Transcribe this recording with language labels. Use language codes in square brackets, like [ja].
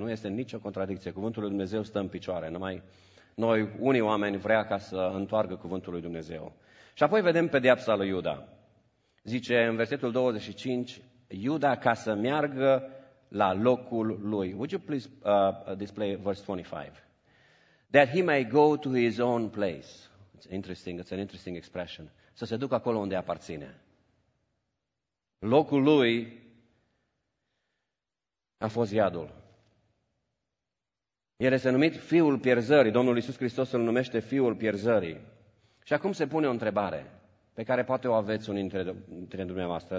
[ro] Nu este nicio contradicție. Cuvântul lui Dumnezeu stă în picioare. Numai noi, unii oameni, vrea ca să întoarcă cuvântul lui Dumnezeu. Și apoi vedem pedeapsa lui Iuda. Zice în versetul 25, Iuda ca să meargă la locul lui. [en] Would you please display verse 25? That he may go to his own place. It's interesting, it's an interesting expression. [ro] Să se ducă acolo unde aparține. Locul lui a fost iadul. El este numit fiul pierzării. Domnul Iisus Hristos îl numește fiul pierzării. Și acum se pune o întrebare, pe care poate o aveți unii dintre dumneavoastră.